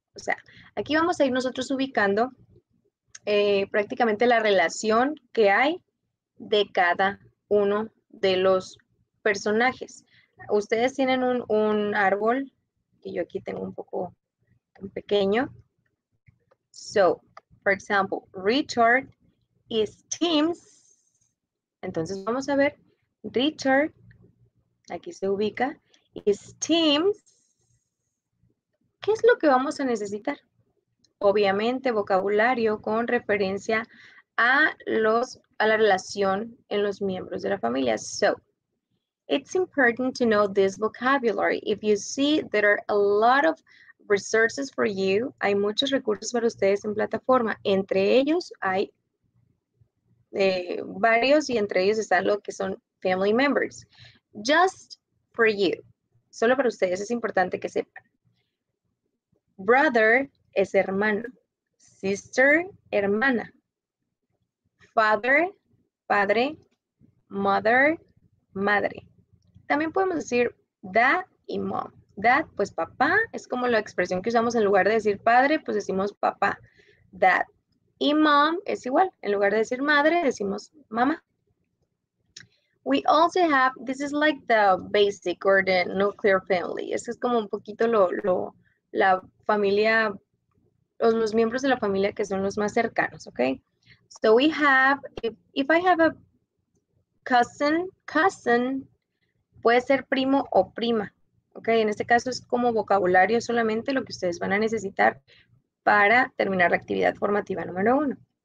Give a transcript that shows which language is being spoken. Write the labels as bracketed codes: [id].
[es] O sea, aquí vamos a ir nosotros ubicando prácticamente la relación que hay de cada uno de los personajes. Ustedes tienen un árbol, que yo aquí tengo un poco un pequeño. [en] So, for example, Richard is Tim's. [es] Entonces vamos a ver, Richard, aquí se ubica, is Tim's. ¿Qué es lo que vamos a necesitar? Obviamente, vocabulario con referencia a los a la relación en los miembros de la familia. [en] So, it's important to know this vocabulary. If you see, there are a lot of resources for you. [es] Hay muchos recursos para ustedes en plataforma. Entre ellos hay varios, y entre ellos están lo que son family members. [en] Just for you. [es] Solo para ustedes es importante que sepan. Brother es hermano. Sister, hermana. Father, padre, mother, madre. También podemos decir dad y mom. Dad, pues papá, es como la expresión que usamos en lugar de decir padre, pues decimos papá. Dad y mom es igual. En lugar de decir madre, decimos mamá. [en] We also have, this is like the basic or the nuclear family. [es] Esto es como un poquito la familia, los miembros de la familia que son los más cercanos, ¿ok? [en] So we have, if I have a cousin, [es] puede ser primo o prima. Okay, en este caso es como vocabulario solamente lo que ustedes van a necesitar para terminar la actividad formativa número uno.